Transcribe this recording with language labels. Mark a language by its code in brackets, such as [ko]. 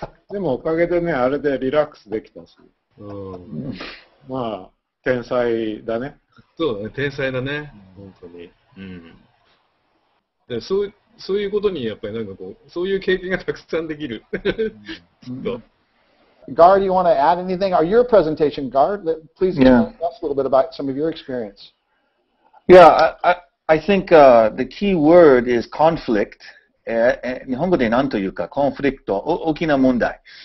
[ja] でもおかげでね、あれでリラックスできたし。うん、まあ、天才だね。そうだね、天才だね、本当に、うん、でそういうことにやっぱりなんかこう、そういう経験がたくさんできる。 [en] Gar, do you want to add anything? Are your presentation, Gar? Please tell us a little bit about some of your experience. Yeah, I think the key word is conflict. [ja] 日本語で何というか、コンフリクト、大きな問題。